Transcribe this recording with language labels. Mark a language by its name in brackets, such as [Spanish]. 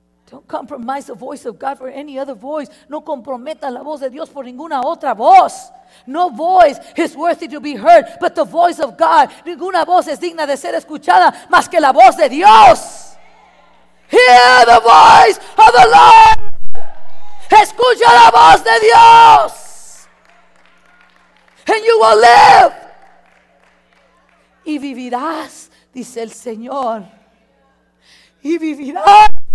[English] Don't compromise the voice of God for any other voice. [Spanish] No comprometas la voz de Dios por ninguna otra voz. [English] No voice is worthy to be heard but the voice of God. [Spanish] Ninguna voz es digna de ser escuchada más que la voz de Dios. [English] Hear the voice of the Lord. [Spanish] Escucha la voz de Dios. [English] And you will live. [Spanish] Y vivirás, dice el Señor. Y vivirás.